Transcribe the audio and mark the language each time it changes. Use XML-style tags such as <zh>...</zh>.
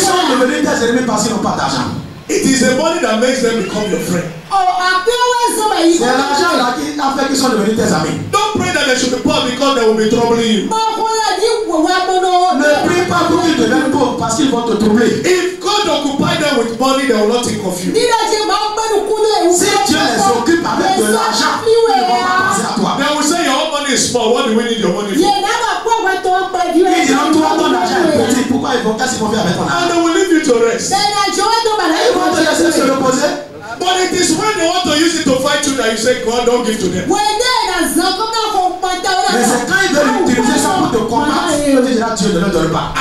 <fr>sont devenus tes ennemis parce qu'ils n'ont pas d'argent.</fr> <en>It is the money that makes them become your friend.</en> <fr>C'est l'argent là qui a fait qu'ils sont devenus tes amis.</fr> <en>Don't pray that they should be poor because they will be troubling you.</en> <fr>Ne prie pas pour qu'ils deviennent pauvres parce qu'ils vont te troubler.</fr> <en>If God occupies them with money, they will not think of you.</en> <fr>Si Dieu les occupe avec de l'argent, ils ne vont pas penser à toi.</fr> <en>They will say your money is small. What do we need your money for?</en> <fr>Ils diront, toi ton argent est petit, pourquoi ils vont qu'est-ce qu'ils vont faire avec ton argent? Ils vont te laisser se reposer.</fr> <en>But it is when they want to use it to fight you that you say, God, don't give to them.</en> <fr>Mais c'est quand ils veulent utiliser ça pour te combattre, ils vont te dire, Dieu ne leur donne pas.</fr>